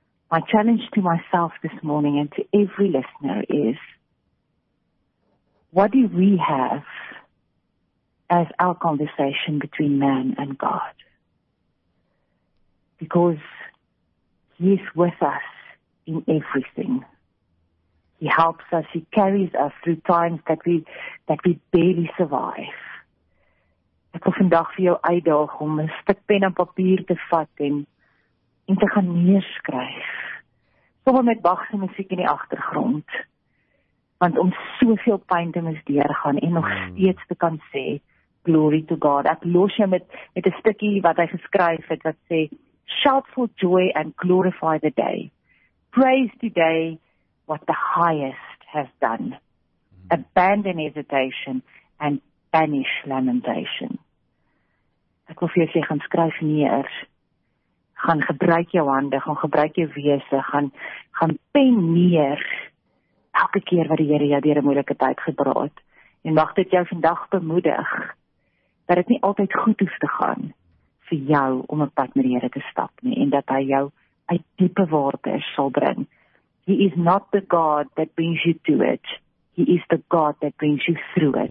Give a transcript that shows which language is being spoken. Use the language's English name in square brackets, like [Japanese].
[English] My challenge to myself this morning and to every listener is, what do we have as our conversation between man and God? Because he is with us in everything. He helps us, he carries us through times that we barely survive. [Afrikaans] Ek wil vandag vir jou uitdaag om 'n stuk pen en papier te vat en te gaan neerskryf. Sommige met Bach se musiek in die agtergrond. Want om soveel pyn te mis deurgaan en nog steeds te kan sê, [English] glory to God. [Afrikaans] Ek los jou met 'n stukkie wat hy geskryf het wat sê, [English] shout for joy and glorify the day. Praise today what the highest has done. Abandon hesitation and banish lamentation. [Afrikaans] Ek wil vir jou sê, gaan skryf neer. Gaan gebruik jou hande, gaan gebruik jou wese, gaan pen neer elke keer wat die Here jou deur 'n moeilike tyd gebra het. En mag dit jou vandag bemoedig dat dit nie altyd goed hoef te gaan vir jou om 'n pad met die Here te stap nie en dat hy jou uit diepe waters sal bring. [English] He is not the God that brings you to it. He is the God that brings you through it.